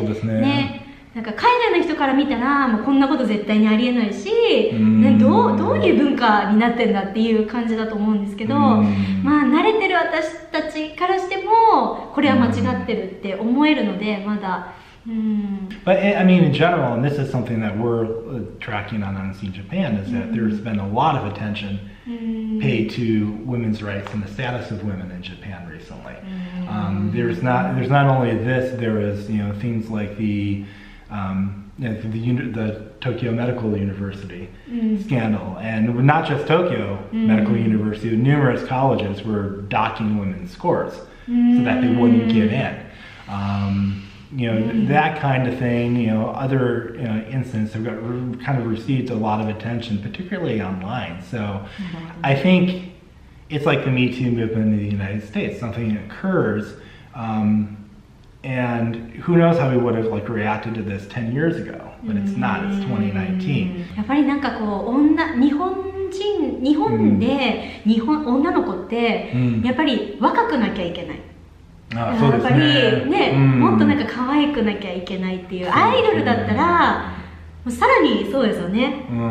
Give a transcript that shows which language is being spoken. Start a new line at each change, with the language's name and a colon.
Japanese: そうです ね、ね、なんか海外の人から見たらもうこんなこと絶対にありえないし、うん、どういう文化になってんだっていう感じだと思うんですけど、まあ慣れてる私たちからしてもこれは間違ってるって思えるので、まだ。
English: But I mean, in general, and this is something that we're tracking on NC Japan, is that there's been a lot of attention paid to women's rights and the status of women in Japan recently. There's not only this. There is, you know, things like the Tokyo Medical University scandal, and not just Tokyo Medical University, numerous colleges were docking women's scores so that they wouldn't get in. That kind of thing, you know, other instances have got kind of received a lot of attention, particularly online. So I think it's like the Me Too movement in the United States. Something occurs, and who knows how we would have like reacted to this 10 years ago, but it's not, it's 2019.
Japanese: やっぱりなんかこう、日本で女の子ってやっぱり若くなきゃいけない。ああね、やっぱりね、もっとなんか可愛くなきゃいけないっていう、アイドルだったらさらにそうですよね。